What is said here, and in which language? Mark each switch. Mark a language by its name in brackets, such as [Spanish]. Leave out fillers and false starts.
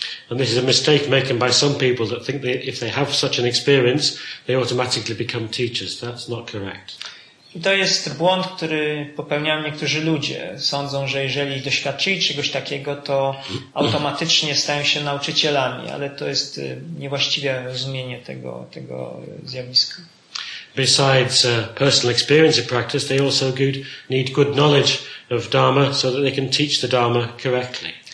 [English] And this is a mistake made by some people that think that if they have such an experience, they automatically become teachers. That's not correct. [Polish] I to jest błąd, który popełniają niektórzy ludzie. Sądzą, że jeżeli doświadczyli czegoś takiego, to automatycznie stają się nauczycielami, ale to jest niewłaściwe rozumienie tego zjawiska. [English] Besides personal experience and practice, they also need good knowledge of Dharma so that they can teach the Dharma correctly.